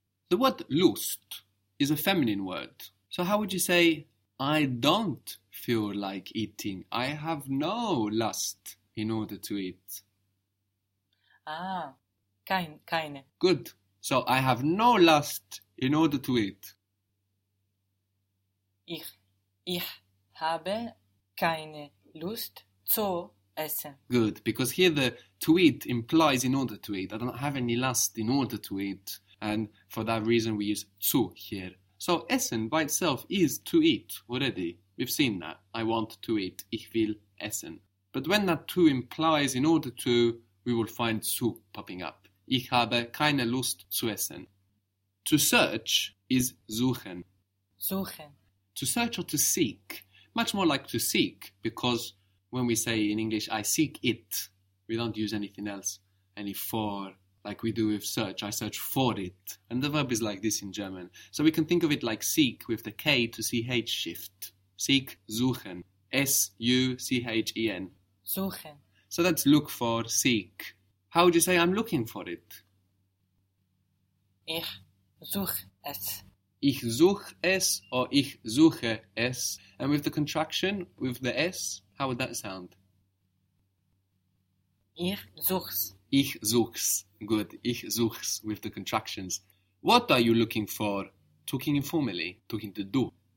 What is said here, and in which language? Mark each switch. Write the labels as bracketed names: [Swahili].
[English] The word lust is a feminine word. So how would you say, I don't feel like eating. I have no lust in order to eat. [German] Ah, keine. [English] Good. So I have no lust in order to eat. [German] Ich habe keine Lust zu essen. [English] Good, because here the to eat implies in order to eat. I don't have any lust in order to eat. And for that reason we use zu here. So essen by itself is to eat already. We've seen that. I want to eat. [German] Ich will essen. [English] But when that to implies in order to, we will find zu popping up. [German] Ich habe keine Lust zu essen. [English] To search is suchen. [German] Suchen. [English] To search or to seek. Much more like to seek, because when we say in English, I seek it, we don't use anything else, any for, like we do with search. I search for it. And the verb is like this in German. So we can think of it like seek with the K to CH shift. Seek, suchen. S-U-C-H-E-N. [German] Suchen. [English] So that's look for, seek. How would you say I'm looking for it? [German] Ich suche es. Ich suche es or ich suche es. [English] And with the contraction, with the S, how would that sound? [German] Ich such's. Ich such's. Good. Ich such's [English] with the contractions. What are you looking for? Talking informally. Talking to du.